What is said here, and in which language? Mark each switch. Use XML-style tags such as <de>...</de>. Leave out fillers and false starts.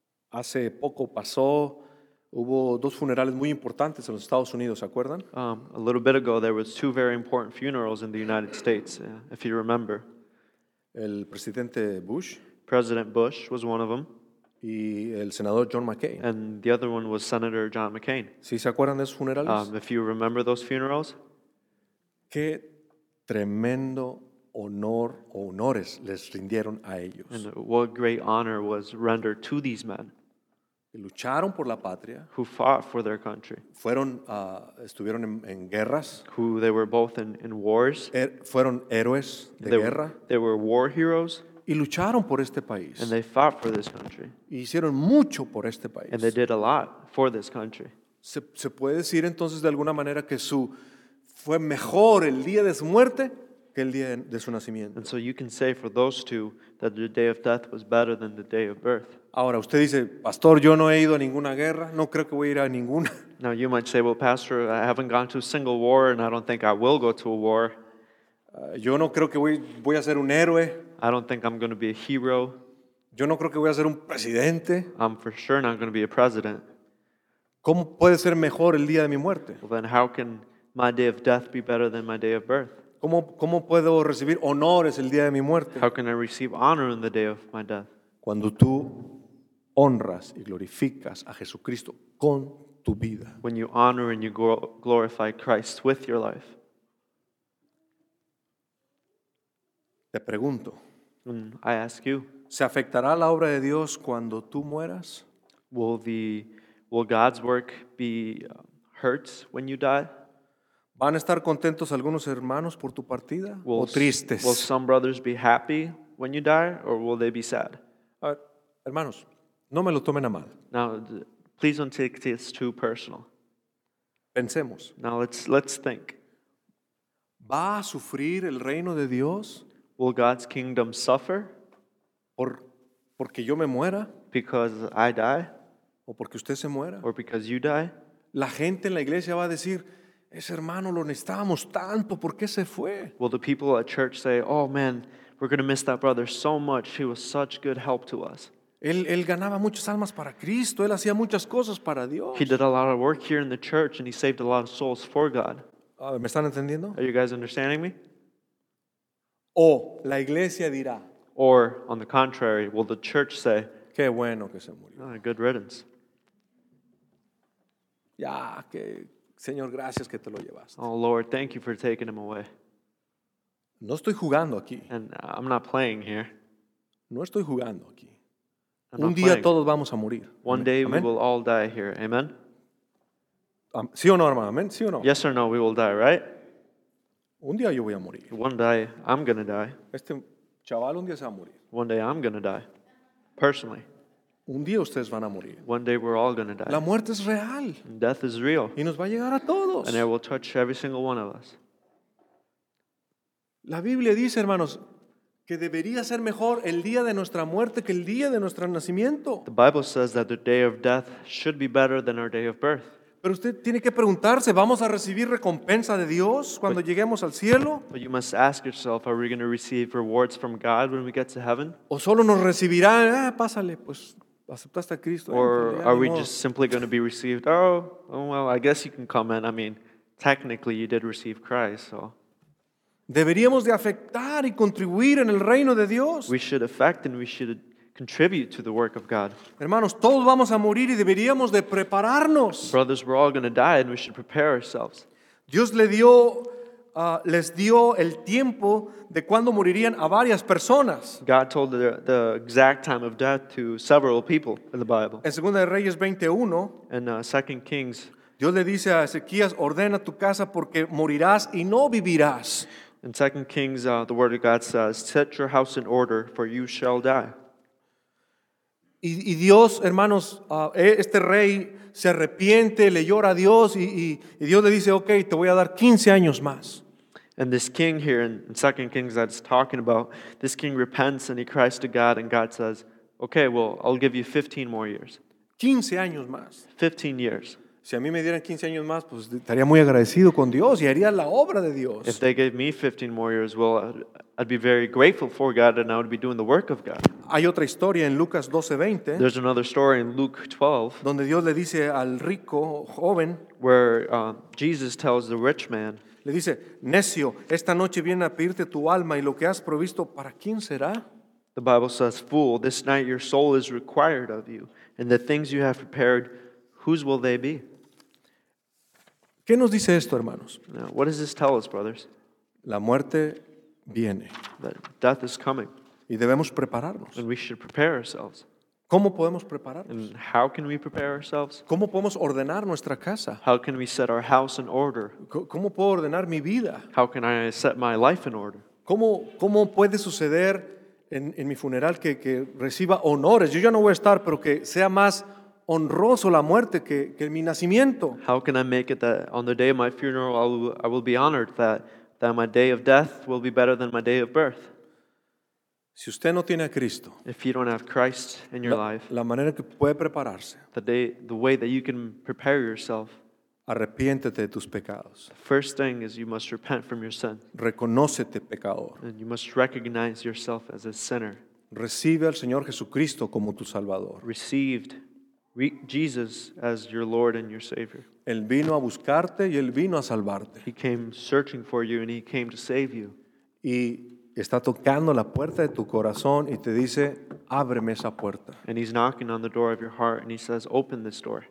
<es>Hace poco pasó, hubo dos funerales muy importantes en los Estados Unidos, ¿se acuerdan?</es> <en>A little bit ago there was two very important funerals in the United States, if you remember.</en> <es>El presidente Bush.</es> <en>President Bush was one of them.</en> <es>Y el senador John McCain.</es> <en>And the other one was Senator John McCain.</en> <es>¿Sí se acuerdan de esos funerales?</es> <en>If you remember those funerals.</en> <es>Qué tremendo honor o honores les rindieron a ellos.</es> <en>And what great honor was rendered to these men.</en> <es>Lucharon por la patria.</es> <en>Who fought for their country.</en> <es>Fueron, estuvieron en guerras.</es> <en>Who they were both in wars.</en> <es>Fueron héroes de guerra.</es> <en>They were war heroes.</en> <es>Y lucharon por este país.</es> <en>And they fought for this country.</en> <es>Y hicieron mucho por este país.</es> <en>And they did a lot for this country.</en> <es>¿Se puede decir entonces de alguna manera que fue mejor el día de su muerte que el día de su nacimiento?</es> <en>And so you can say for those two that the day of death was better than the day of birth.</en> <es>Ahora usted dice, pastor, yo no he ido a ninguna guerra, no creo que voy a ir a ninguna.</es> <en>Now you might say, well, pastor, I haven't gone to a single war and I don't think I will go to a war.</en> <es>Yo no creo que voy a ser un héroe.</es> <en>I don't think I'm going to be a hero.</en> <es>Yo no creo que voy a ser un presidente.</es> <en>I'm for sure not going to be a president.</en> <es>¿Cómo puede ser mejor el día de mi muerte?</es> <en>Well, then how can my day of death be better than my day of birth?</en> <es>¿Cómo puedo recibir honores el día de mi muerte?</es> <en>How can I receive honor in the day of my death?</en> <es>Cuando tú honras y glorificas a Jesucristo con tu vida.</es> <en>When you honor and you glorify Christ with your life.</en> <es>Te pregunto,</es> <en>I ask you,</en> <es>¿se afectará la obra de Dios cuando tú mueras?</es> <en>Will God's work be hurt when you die?</en> <es>¿Van a estar contentos algunos hermanos por tu partida o tristes?</es> <en>Will some brothers be happy when you die or will they be sad?</en> <es>Hermanos, no me lo tomen a mal.</es> <en>Now, please don't take this too personal.</en> <es>Pensemos.</es> <en>Now let's think.</en> <es>¿Va a sufrir el reino de Dios?</es> <en>Will God's kingdom suffer?</en> <es>Porque yo me muera?</es> <en>Because I die?</en> <es>O porque usted se muera?</es> <en>Or because you die?</en> <es>La gente en la iglesia va a decir, ese hermano lo necesitábamos tanto, ¿por qué se fue?</es> <en>Will the people at church say, oh man, we're going to miss that brother so much. He was such good help to us.</en> <es>Él ganaba muchas almas para Cristo. Él hacía muchas cosas para Dios.</es> <en>He did a lot of work here in the church and he saved a lot of souls for God.</en> <es>¿Me están entendiendo?</es> <en>Are you guys understanding me?</en> <es>O la iglesia dirá.</es> <en>Or, on the contrary, will the church say,</en> <es>qué bueno que se murió.</es> <en>Oh, good riddance.</en> <es>Ya, que Señor, gracias que te lo llevaste.</es> <en>Oh, Lord, thank you for taking him away.</en> <es>No estoy jugando aquí.</es> <en>And I'm not playing here.</en> <es>No estoy jugando aquí. Un día todos vamos a morir.</es> <en>One day we will all die here. Amen?</en> <es>¿Sí o no, hermano? ¿Amén? ¿Sí o no?</es> <en>Yes or no, we will die, right?</en> <es>Un día yo voy a morir.</es> <en>One day I'm going to die.</en> <es>Este chaval un día se va a morir.</es> <en>One day I'm going to die. Personally.</en> <es>Un día ustedes van a morir.</es> <en>One day we're all going to die.</en> <es>La muerte es real.</es> <en>Death is real.</en> <es>Y nos va a llegar a todos.</es> <en>And it will touch every single one of us.</en> <es>La Biblia dice, hermanos, que debería ser mejor el día de nuestra muerte que el día de nuestro nacimiento.</es> <en>The Bible says that the day of death should be better than our day of birth.</en> <es>Pero usted tiene que preguntarse, ¿vamos a recibir recompensa de Dios cuando lleguemos al cielo?</es> <en>But you must ask yourself, are we going to receive rewards from God when we get to heaven?</en> <es>¿O solo nos recibirá, pásale, pues ¿Aceptaste a Cristo?</es> <en>Or are we just simply going to be received? Oh, well, I guess you can comment. I mean, technically you did receive Christ, so.</en> <es>Deberíamos de afectar y contribuir en el reino de Dios.</es> <en>We should affect and we should contribute to the work of God.</en> <es>Hermanos, todos vamos a morir y deberíamos de prepararnos.</es> <en>Brothers, we're all going to die and we should prepare ourselves.</en> <es>Dios les dio el tiempo de cuándo morirían a varias personas.</es> <en>God told the exact time of death to several people in the Bible.</en> <es>En 2 Reyes 21,</es> <en>in 2 Kings,</en> <es>Dios le dice a Ezequías, ordena tu casa porque morirás y no vivirás.</es> <en>In 2 Kings, the word of God says, set your house in order for you shall die.</en> <es>Y Dios, hermanos, este rey se arrepiente, le llora a Dios y Dios le dice, okay, te voy a dar 15 años más.</es> <en>And this king here in 2 Kings that it's talking about, this king repents and he cries to God and God says, okay, well, I'll give you 15 more years.</en> <es>15 años más.</es> <en>15 years.</en> <es>Si a mí me dieran 15 años más, pues estaría muy agradecido con Dios y haría la obra de Dios.</es> <en>If they gave me 15 more years, well, I'd be very grateful for God and I would be doing the work of God.</en> <es>Hay otra historia en Lucas 12:20.</es> <en>There's another story in Luke 12.</en> <es>Donde Dios le dice al rico joven.</es> <en>Where Jesus tells the rich man.</en> <es>Le dice, necio, esta noche viene a pedirte tu alma y lo que has provisto, ¿para quién será?</es> <en>The Bible says, fool, this night your soul is required of you and the things you have prepared, whose will they be?</en> <es>¿Qué nos dice esto, hermanos?</es> <en>Now, what does this tell us, brothers?</en> <es>La muerte viene.</es> <en>That death is coming.</en> <es>Y debemos prepararnos.</es> <en>And we should prepare ourselves.</en> <es>¿Cómo podemos prepararnos?</es> <en>And how can we prepare ourselves?</en> <es>¿Cómo podemos ordenar nuestra casa?</es> <en>How can we set our house in order?</en> <es>¿Cómo puedo ordenar mi vida?</es> <en>How can I set my life in order?</en> <es>¿Cómo puede suceder en mi funeral que reciba honores? Yo ya no voy a estar, pero que sea más honroso la muerte que mi nacimiento.</es> <en>How can I make it that on the day of my funeral I will be honored that my day of death will be better than my day of birth?</en> <es>Si usted no tiene a Cristo,</es> <en>if you don't have Christ in your life,</en> <es>la manera que puede prepararse,</es> <en>the way that you can prepare yourself,</en> <es>arrepiéntete de tus pecados.</es> <en>The first thing is you must repent from your sin.</en> <es>Reconócete pecador.</es> <en>And you must recognize yourself as a sinner.</en> <es>Recibe al Señor Jesucristo como tu Salvador.</es> <en>Received Jesus as your Lord and your Savior.</en> <es>Él vino a buscarte y él vino a salvarte.</es> <en>He came searching for you and he came to save you.</en> <es>Y está tocando la puerta de tu corazón y te dice, ábreme esa puerta.</es> <en>And he's knocking on the door of your heart and he says, open this door.</en>